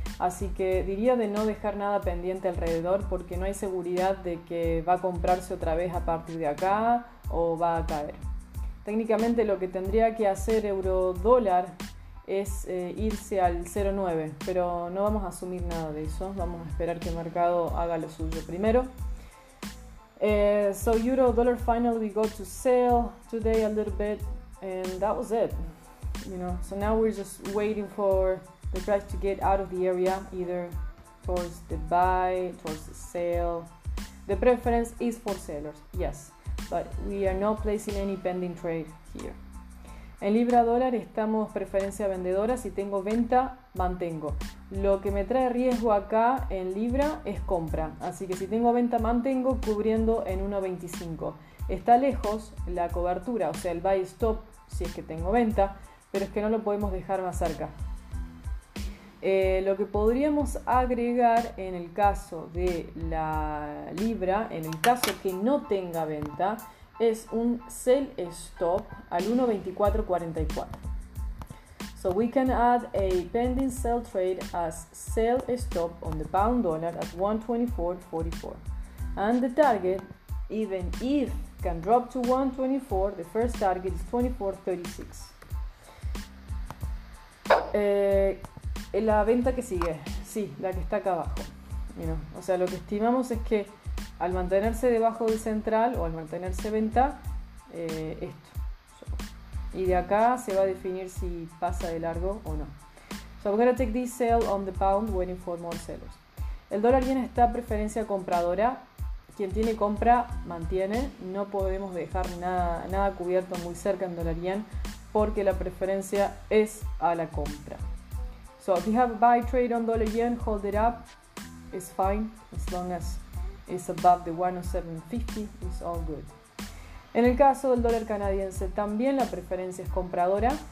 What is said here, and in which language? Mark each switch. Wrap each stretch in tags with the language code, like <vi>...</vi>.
<es>Así que diría de no dejar nada pendiente alrededor, porque no hay seguridad de que va a comprarse otra vez a partir de acá, o va a caer. Técnicamente lo que tendría que hacer euro dólar es irse al 0.9, pero no vamos a asumir nada de eso, vamos a esperar que el mercado haga lo suyo primero.</es> <en>So euro dollar final we go to sell today a little bit and that was it, you know. So now we're just waiting for the price to get out of the area, either towards the buy, towards the sell. The preference is for sellers, yes. But we are not placing any pending trade here.</en> <es>En libra dólar estamos preferencia vendedora. Si tengo venta, mantengo. Lo que me trae riesgo acá en libra es compra. Así que si tengo venta, mantengo, cubriendo en 1.25. Está lejos la cobertura, o sea, el buy stop, si es que tengo venta. Pero es que no lo podemos dejar más cerca. Lo que podríamos agregar en el caso de la libra, en el caso que no tenga venta, es un sell stop al 1.2444.</es> <en>So we can add a pending sell trade as sell stop on the pound dollar at 1.2444. And the target, even if can drop to 1.24, the first target is 2.4.36.</en> <es>La venta que sigue, sí, la que está acá abajo. Mira, o sea, lo que estimamos es que al mantenerse debajo del central o al mantenerse venta, esto. So. Y de acá se va a definir si pasa de largo o no.</es> <en>So I'm gonna take this sell on the pound waiting for more sellers.</en> <es>El dólar yen está preferencia compradora. Quien tiene compra, mantiene. No podemos dejar nada cubierto muy cerca en dólar yen porque la preferencia es a la compra.</es> <en>So if you have a buy trade on dollar yen, hold it up, it's fine, as long as it's above the 107.50, it's all good.</en> <es>En el caso del dólar canadiense, también la preferencia es compradora.</es>